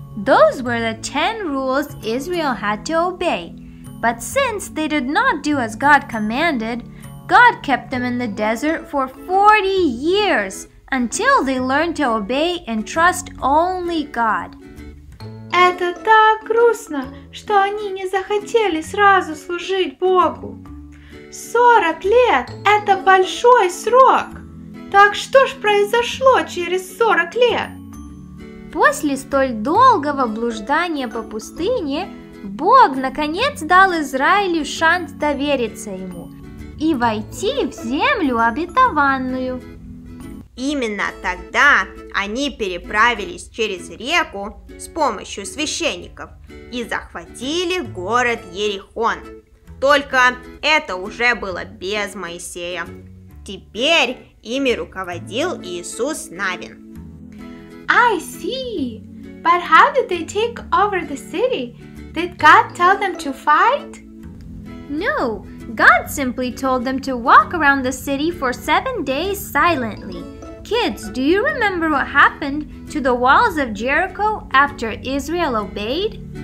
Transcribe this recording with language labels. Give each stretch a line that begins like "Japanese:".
English: Those were the ten rules Israel had to obey. But since they did not do as God commanded, God kept them in the desert for 40 years until they learned to obey and trust only God.
Russian: Это так грустно, что они не захотели сразу служить Богу. 40 лет – это большой срок! Так что ж произошло через 40 лет? После столь долгого блуждания по пустыне, Бог наконец дал Израилю шанс довериться ему и войти в землю обетованную. Именно тогда они переправились через реку с помощью священников и захватили город Иерихон. Только это уже было без Моисея. Теперь ими руководил Иисус Навин.
English: I see. But how did they take over the city? Did God tell them to fight? No, God simply told them to walk around the city for 7 days silently. Kids, do you remember what happened to the walls of Jericho after Israel obeyed?